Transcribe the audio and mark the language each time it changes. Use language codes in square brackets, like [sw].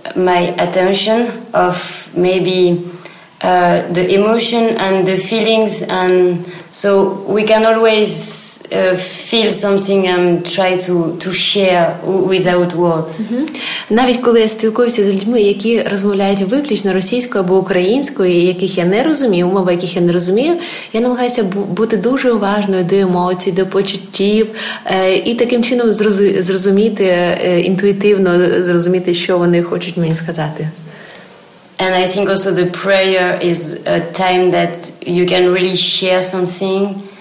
[en] my attention of maybe the emotion and the feelings, and so we can always feel something and try to share without words. Mm-hmm. [uk] Навіть коли я спілкуюся з людьми, які розмовляють виключно російською або українською, яких я не розумію, мови яких я не розумію, я намагаюся бути дуже уважною до емоцій, до почуттів, і таким чином зрозуміти, інтуїтивно зрозуміти, що вони хочуть мені сказати. [en] And I think also the prayer is a time that you can really share something.